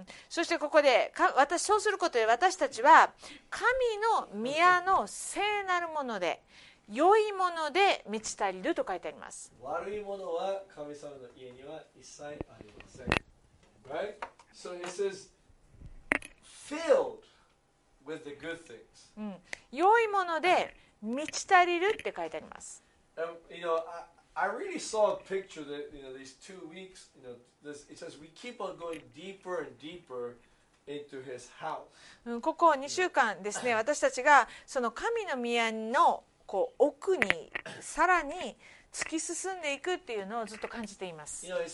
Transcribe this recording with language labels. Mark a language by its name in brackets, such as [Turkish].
[Japanese] そしてここで、そうすることで私たちは神の宮の聖なるもので、良いもので満ち足りると書いてあります。悪いものは神様の家には一切ありません。 [English] Right? So it says, filled with the good things. [Japanese] 良いもので満ち足りるって書いてあります。 [English] You know, I really saw a picture that, you know, these 2 weeks, you know, this, it says we keep on going deeper and deeper. Into his house. [Japanese] ここ2週間ですね、私たちがその神の宮のこう奥にさらに突き進んでいくっていうのをずっと感じています。